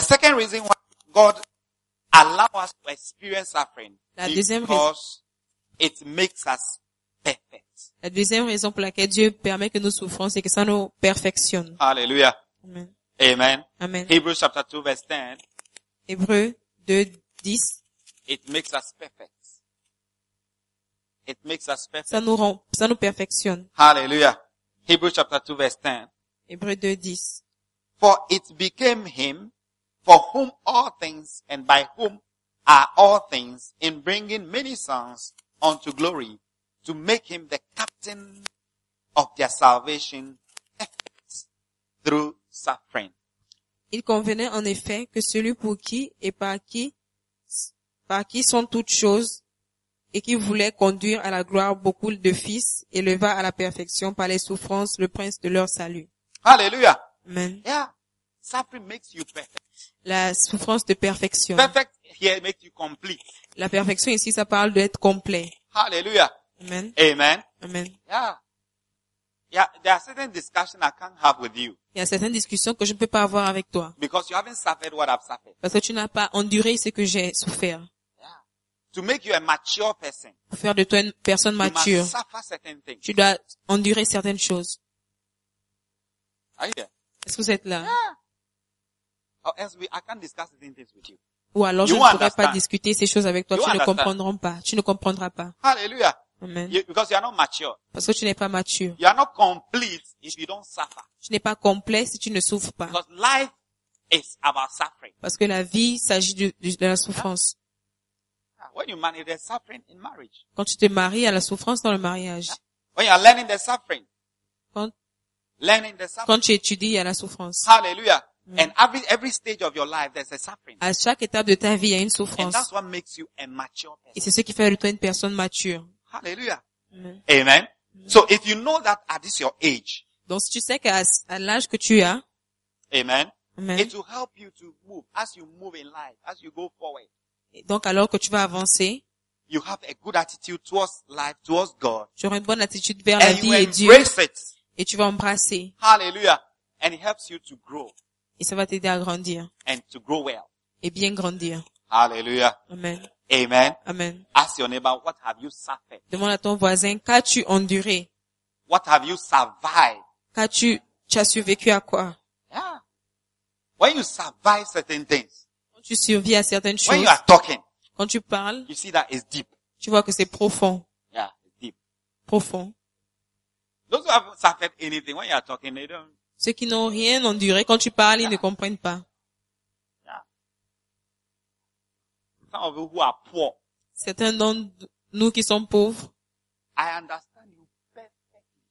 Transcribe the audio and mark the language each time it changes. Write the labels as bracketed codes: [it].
[en] The second reason why God allows us to experience suffering is because it makes us perfect. [fr] La deuxième raison pour laquelle Dieu permet que nous souffrons, c'est que ça nous perfectionne. [en] Hallelujah. Amen. Amen. Amen. Hebrews chapter 2 verse 10. [fr] Hébreux 2, 10. [en] It makes us perfect. It makes us perfect. [fr] Ça nous perfectionne. [en] Hallelujah. Hébreux chapter 2 verse 10. [fr] Hébreux 2, 10. [en] For it became him for whom all things and by whom are all things in bringing many sons unto glory to make him the captain of their salvation through suffering. [fr] Il convenait en effet que celui pour qui et par qui sont toutes choses et qui voulait conduire à la gloire beaucoup de fils éleva à la perfection par les souffrances le prince de leur salut. [en] Hallelujah. Amen. Yeah. Suffering makes you perfect. [fr] La souffrance te perfectionne. [en] Perfect here makes you complete. [fr] La perfection ici, ça parle d'être complet. [en] Hallelujah. Amen. Amen. Amen. Yeah. Yeah. There are certain discussions I can't have with you. [fr] Il y a certaines discussions que je ne peux pas avoir avec toi. [en] Because you haven't suffered what I've suffered. [fr] Parce que tu n'as pas enduré ce que j'ai souffert. [en] To make you a mature person. [fr] Pour faire de toi une personne mature. [en] You must suffer certain things. [fr] Tu dois endurer certaines choses. [en] Are you there? [fr] Est-ce que vous êtes là? [en] Yeah. Or else I can't discuss certain things with you. [fr] Ou alors [en] you [fr] je ne pourrai pas discuter ces choses avec toi. Tu ne comprendras pas. [en] Hallelujah. Amen. Because you are not mature. [fr] Parce que tu n'es pas mature. [en] You are not complete if you don't suffer. [fr] Tu n'es pas complet si tu ne souffres pas. [en] Because life is about suffering. [fr] Parce que la vie s'agit de la souffrance. [en] Yeah. When you manage the suffering in marriage. [fr] Quand tu te maries, il y a la souffrance dans le mariage. [en] Yeah. When you are learning the suffering. [fr] Quand tu étudies, il y a la souffrance. [en] Hallelujah. Mm. And every stage of your life, there's a suffering. [fr] À chaque étape de ta vie, il y a une souffrance. [en] And that's what makes you a mature person. [fr] Et c'est ce qui fait de toi une personne mature. [en] Hallelujah. Mm. Amen. Mm. So if you know that at this your age. [fr] Donc si tu sais qu'à l'âge que tu as. [en] Amen. Amen. It will help you to move as you move in life, as you go forward. [fr] Et donc alors que tu vas avancer. [en] You have a good attitude towards life, towards God. [fr] Tu auras une bonne attitude vers [en] and [fr] la vie et Dieu. [en] And you embrace it. [fr] Et tu vas embrasser. [en] Hallelujah. And it helps you to grow. [fr] Et ça va t'aider à grandir. [en] And to grow well. [fr] Et bien grandir. [en] Hallelujah. Amen. Amen. Amen. Ask your neighbor, what have you suffered? [fr] Demande à ton voisin, qu'as-tu enduré? [en] What have you survived? [fr] Tu as survécu à quoi? [en] Yeah. When you survive certain things. [fr] Quand tu survis à certaines choses. [en] When you are talking. [fr] Quand tu parles. [en] You see that it's deep. [fr] Tu vois que c'est profond. [en] Yeah, it's deep. [fr] Profond. [en] Those who have suffered anything when you are talking, they don't. [fr] Ceux qui n'ont rien enduré, quand tu parles, ils ne comprennent pas. [en] Yeah. Some of you who are poor. [fr] Certains d'entre nous qui sommes pauvres. [en] I understand you perfectly.